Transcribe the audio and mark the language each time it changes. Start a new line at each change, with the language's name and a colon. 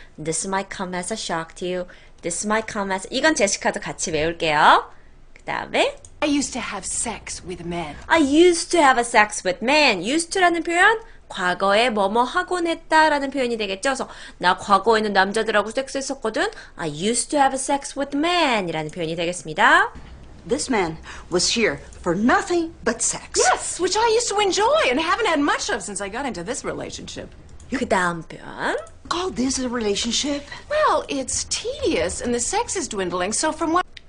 English: This might come as a shock to you. This might come as
Korean: 이건 제시카도 같이 외울게요. 그 다음에
English: I used to have sex with men. I used to have a sex with men.
Korean: Used to라는 표현 과거에 뭐뭐 하곤 했다라는 표현이 되겠죠. 그래서 나 과거에는 남자들하고 섹스했었거든.
English: I used to have a sex with men
Korean: 이라는 표현이 되겠습니다.
English: This man was here for nothing but sex. Yes, which I used to enjoy and haven't had much of since I got into this relationship.
Korean: 그 다음 표현.
English: Call this a relationship? Well, it's tedious and the sex is dwindling, so from what...